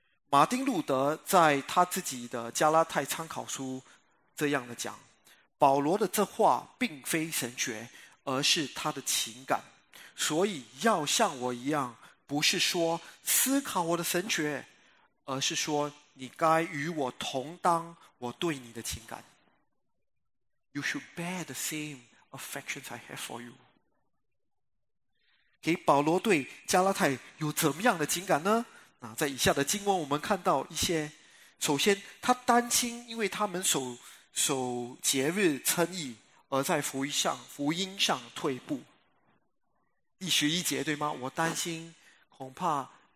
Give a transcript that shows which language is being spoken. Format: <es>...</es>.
<zh>马丁路德在他自己的加拉太参考书这样的讲，保罗的这话并非神学，而是他的情感。所以要像我一样，不是说思考我的神学，而是说你该与我同当我对你的情感。</zh> <en>You should bear the same affections I have for you。</en> <zh>给保罗对加拉太有怎么样的情感呢？在以下的经文我们看到一些，首先他担心因为他们守节日称义而在福音上退步。第十一节，对吗？我担心恐怕</zh>